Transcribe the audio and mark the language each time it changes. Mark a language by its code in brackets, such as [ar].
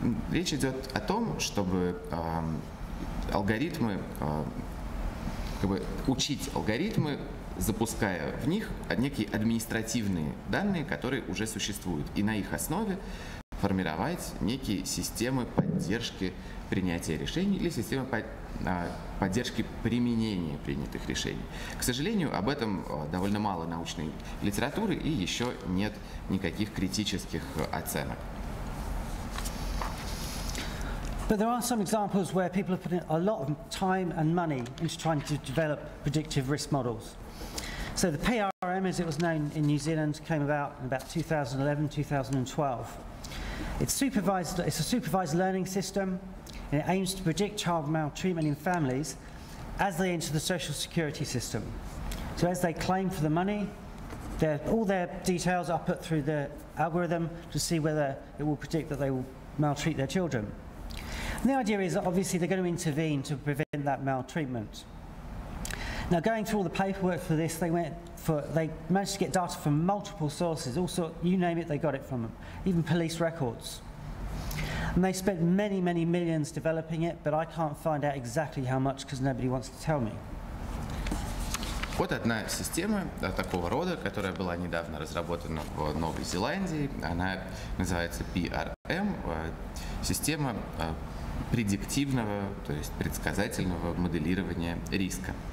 [ru] Речь идет о том, чтобы алгоритмы, как бы учить алгоритмы, запуская в них некие административные данные, которые уже существуют, и на их основе формировать некие системы поддержки принятия решений или системы поддержки применения принятых решений. К сожалению, об этом довольно мало научной литературы и еще нет никаких критических оценок. [en] But there are some examples where people are putting a lot of time and money into trying to develop predictive risk models. So the PRM, as it was known in New Zealand, came about in about 2011, 2012. It's a supervised learning system, and it aims to predict child maltreatment in families as they enter the social security system. So as they claim for the money, all their details are put through the algorithm to see whether it will predict that they will maltreat their children. And the idea is that obviously they're going to intervene to prevent that maltreatment. Now, going through all the paperwork for this, they managed to get data from multiple sources, also you name it, they got it from them, even police records. And they spent many, many millions developing it, but I can't find out exactly how much because nobody wants to tell me. [ru] Вот одна система такого рода, которая была недавно разработана в Новой Зеландии. Она называется PRM, система предиктивного, то есть предсказательного моделирования риска.